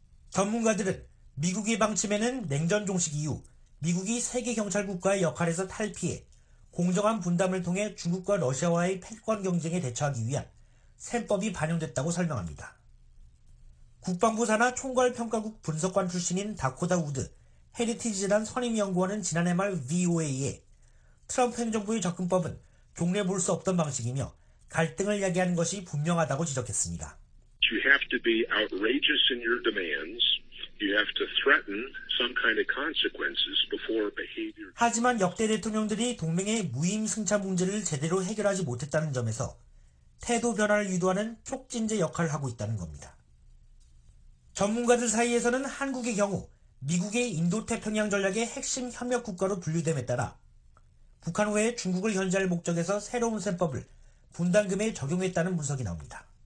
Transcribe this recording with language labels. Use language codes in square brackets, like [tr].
[ko] 전문가들은 미국의 방침에는 냉전 종식 이후 미국이 세계 경찰 국가의 역할에서 탈피해 공정한 분담을 통해 중국과 러시아와의 패권 경쟁에 대처하기 위한 셈법이 반영됐다고 설명합니다. 국방부 산하 총괄평가국 분석관 출신인 다코다 우드 헤리티지재단 선임연구원은 지난해 말 VOA에 트럼프 행정부의 접근법은 종례 볼 수 없던 방식이며 갈등을 야기하는 것이 분명하다고 지적했습니다. [en] You have to be outrageous in your demands. You have to threaten some kind of consequences before behavior. [ko] 하지만 역대 대통령들이 동맹의 무임승차 문제를 제대로 해결하지 못했다는 점에서 태도 변화를 유도하는 촉진제 역할을 하고 있다는 겁니다. 전문가들 사이에서는 한국의 경우 미국의 인도태평양 전략의 핵심 협력 국가로 분류됨에 따라 북한 외에 중국을 견제할 목적에서 새로운 셈법을 분담금에 적용했다는 분석이 나옵니다.